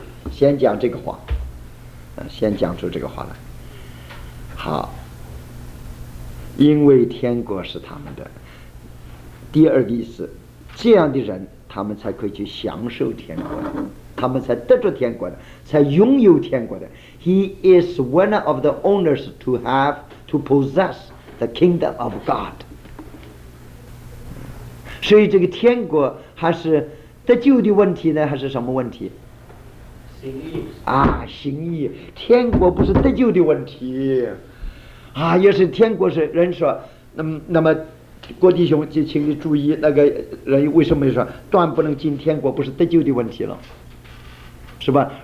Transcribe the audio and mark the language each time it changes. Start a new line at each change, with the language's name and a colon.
Chinese: 先讲这个话，先讲出这个话来。好，因为天国是他们的。第二个意思，这样的人他们才可以去享受天国的，他们才得着天国的，才拥有天国的。
English: He is one of the owners to have to possess the kingdom of God。
Chinese: 所以这个天国还是得救的问题呢，还是什么问题？行义啊，行义。天国不是得救的问题啊，要是天国是人说，那么郭弟兄就请你注意，那个人为什么说断不能进天国，不是得救的问题了，是吧？